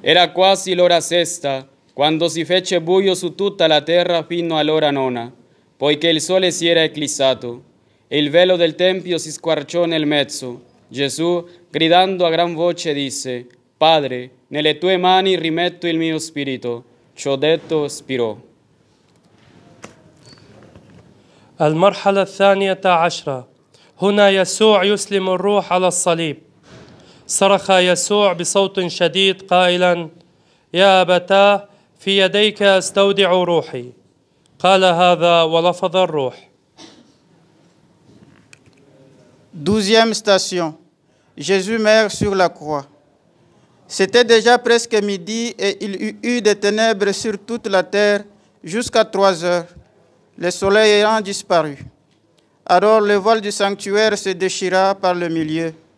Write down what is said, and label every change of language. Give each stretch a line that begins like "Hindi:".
Italian: Era quasi l'ora sesta, quando si fece buio su tutta la terra fino all'ora nona, poiché il sole si era eclissato, e il velo del Tempio si squarciò nel mezzo. Gesù, gridando a gran voce, disse, Padre, nelle tue mani rimetto il mio spirito. Ciò detto, spirò.
Arabic: المرحلة الثانية عشرة هنا يسوع يسلم الروح على الصليب صرخ يسوع بصوت شديد قائلا يا أبتاه في يديك أستودع روحي قال هذا ولفظ الروح
French: 12e station Jésus meurt sur la croix. C'était déjà presque midi et il y eut des ténèbres sur toute la terre jusqu'à 3 heures. Le soleil ayant disparu, alors le voile du sanctuaire se déchira par le milieu.